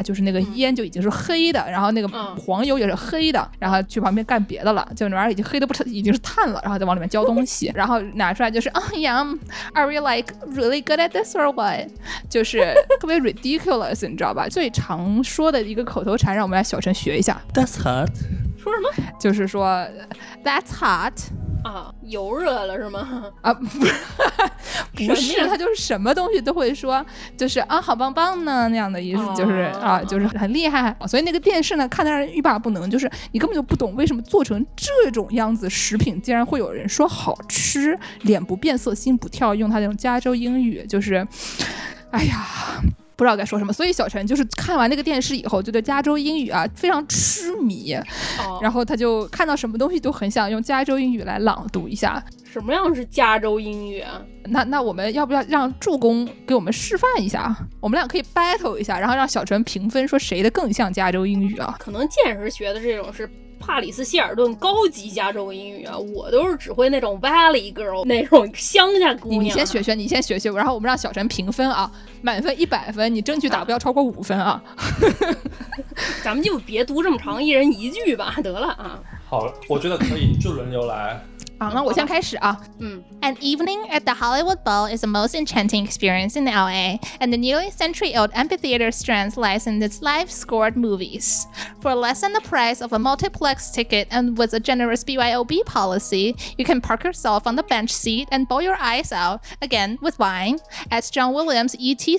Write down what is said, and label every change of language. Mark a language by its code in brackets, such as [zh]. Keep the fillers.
[zh] 就是那个烟就已经是黑的，然后那个黄油也是黑的，然后去旁边干别的了，就那玩意儿已经黑的不成，已经是碳了，然后再往里面浇东西， 然后拿出来就是啊呀 、 [en] oh,，Are we like really good at this or what？ [zh] 就是特别 [en] ridiculous， [zh] 你知道吧？最常说的一个口头禅，让我们来小陈学一下。 [en] That's hot。 [zh] 说什么？就是说， [en] That's hot [zh] 啊，油热了是吗？啊，不是，不是，是他就是什么东西都会说，就是啊，好棒棒呢那样的意思，啊、就是啊，就是很厉害。所以那个电视呢，看的让人欲罢不能，就是你根本就不懂为什么做成这种样子食品竟然会有人说好吃，脸不变色心不跳，用他那种加州英语，就是，哎呀。不知道该说什么，所以小陈就是看完那个电视以后，就对加州英语啊非常痴迷，oh. 然后他就看到什么东西都很想用加州英语来朗读一下。什么样是加州英语啊？那那我们要不要让助攻给我们示范一下？我们俩可以 battle 一下，然后让小陈评分，说谁的更像加州英语啊？可能见士学的这种是。帕里斯希尔顿高级加州英语啊，我都是只会那种 Valley Girl 那种乡下姑娘你。你先学学，你先学学然后我们让小陈评分啊，满分一百分，你争取打不要超过五分啊。啊 咱们就别读这么长，一人一句吧。得了啊，好，我觉得可以，就轮流来。 [en] an evening at the Hollywood Bowl is the most enchanting experience in L.A. and the nearly century-old amphitheater strand lies in its live-scored movies. For less than the price of a multiplex ticket and with a generous BYOB policy, you can park yourself on the bench seat and bowl your eyes out again with wine as John Williams E.T.